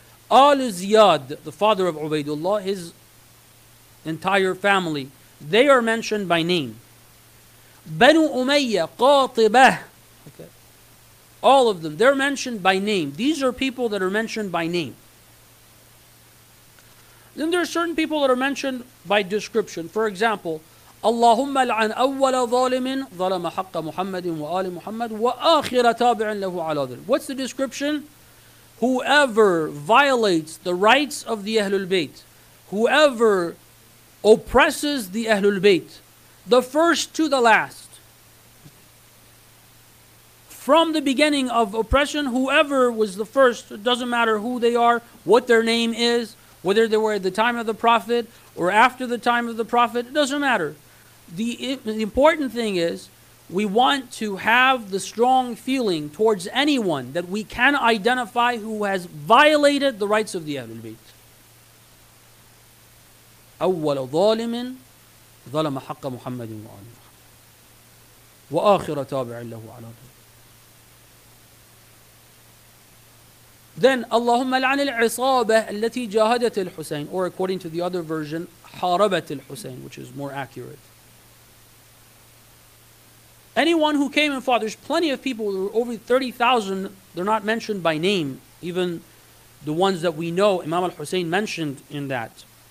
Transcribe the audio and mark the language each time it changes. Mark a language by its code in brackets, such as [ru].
[en] Al-Ziyad, the father of Ubaydullah, his entire family, they are mentioned by name. Banu Umayyah, Qatibah. Okay. All of them, they're mentioned by name. These are people that are mentioned by name. Then there are certain people that are mentioned by description. For example, [ar] اللهم لعن أول ظالم ظلم حق محمد وآل محمد وآخر تابع له على ذلك. [en] What's the description? Whoever violates the rights of the Ahlul Bayt, whoever oppresses the Ahlul Bayt, the first to the last, from the beginning of oppression, whoever was the first, it doesn't matter who they are, what their name is, whether they were at the time of the Prophet or after the time of the Prophet, it doesn't matter. The important thing is we want to have the strong feeling towards anyone that we can identify who has violated the rights of the Ahlul Bayt. [ar] أول ظالم ظلم حق محمد وآل محمد وآخر تابع له على ذلك. [en] Then [ar] اللهم لعن العصابة التي جاهدت الحسين, [en] or according to the other version, [ar] حاربت الحسين, [en] which is more accurate. Anyone who came and fought, there's plenty of people, there were over 30,000, they're not mentioned by name, even the ones that we know, Imam al-Husayn mentioned in that.